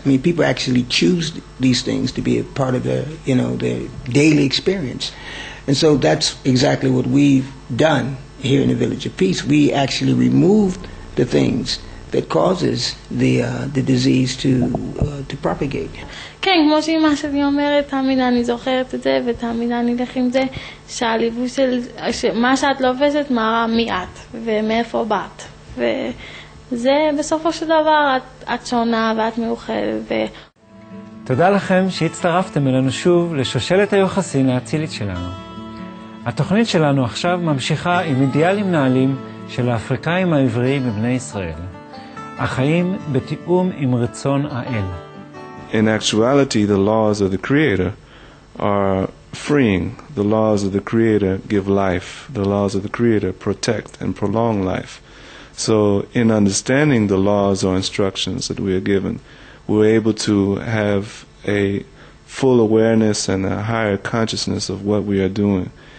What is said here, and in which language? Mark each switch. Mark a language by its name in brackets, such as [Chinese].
[English] I mean, people actually choose these things to be a part of their, you know, their daily experience. And so that's exactly what we've done here in the Village of Peace. We actually removed the things that causes the disease to propagate. [Hebrew] כן, כמו שאמא שלי אומרת, תמיד אני זוכרת את זה, ותמיד אני אלך עם זה, שהליבוש של, מה שאת לובשת מראה מי את, ומאיפה באת. וזה בסופו של דבר, את שונה ואת מיוחדת. תודה לכם שהצטרפתם אלינו שוב לשושלת היוחסין האצילית שלנו. התוכנית שלנו עכשיו ממשיכה עם אידיאלים נעלים של האפריקאים העבריים מבני ישראל. החיים בתיאום עם רצון האל. [English] In actuality, the laws of the Creator are freeing. The laws of the Creator give life. The laws of the Creator protect and prolong life. So in understanding the laws or instructions that we are given, we're able to have a full awareness and a higher consciousness of what we are doing.